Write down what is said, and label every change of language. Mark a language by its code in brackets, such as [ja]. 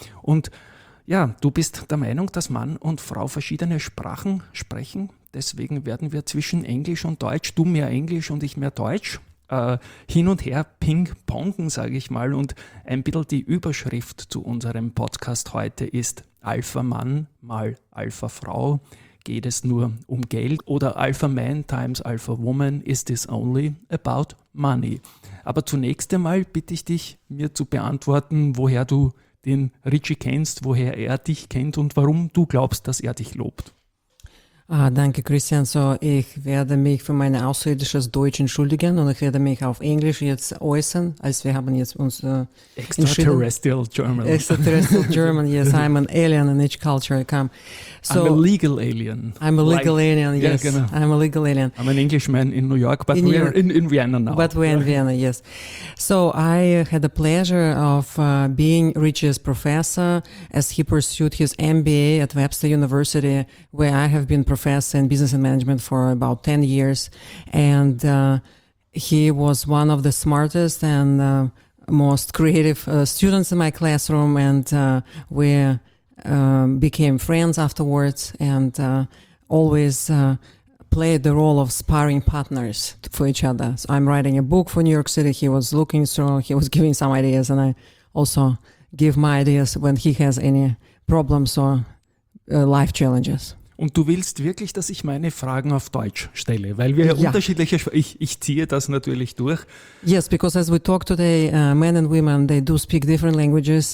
[de] Und ja, du bist der Meinung, dass Mann und Frau verschiedene Sprachen sprechen. Deswegen werden wir zwischen Englisch und Deutsch, du mehr Englisch und ich mehr Deutsch, hin und her ping-pongen, sage ich mal. Und ein bisschen die Überschrift zu unserem Podcast heute ist Alpha-Mann mal Alpha-Frau. Geht es nur um Geld? [en] Oder Alpha-Man times Alpha-Woman, is this only about money? [de] Aber zunächst einmal bitte ich dich, mir zu beantworten, woher du den Richie kennst, woher er dich kennt und warum du glaubst, dass er dich lobt. Ah, danke, Christian. So, ich werde mich für mein außerirdisches Deutsch entschuldigen und ich werde mich auf Englisch jetzt äußern, als wir haben jetzt uns [en] Extraterrestrial German. Extraterrestrial German, yes, I'm an alien in each culture I come. So, I'm a legal alien. I'm a legal alien, yes. Yeah, genau. I'm a legal alien. I'm an Englishman in New York, but in we're in Vienna now. But we're in Vienna, yes. So I had the pleasure of being Richie's professor as he pursued his MBA at Webster University, where I have been professor in business and management for about 10 years. And he was one of the smartest and most creative students in my classroom. And we became friends afterwards and always played the role of sparring partners for each other. So I'm writing a book for New York City. He was looking through, he was giving some ideas. And I also give my ideas when he has any problems or life challenges. [de] Und du willst wirklich, dass ich meine Fragen auf Deutsch stelle, weil wir ja unterschiedliche Sprachen, ich ziehe das natürlich durch. [en] Yes, because as we talk today, men and women, they do speak different languages.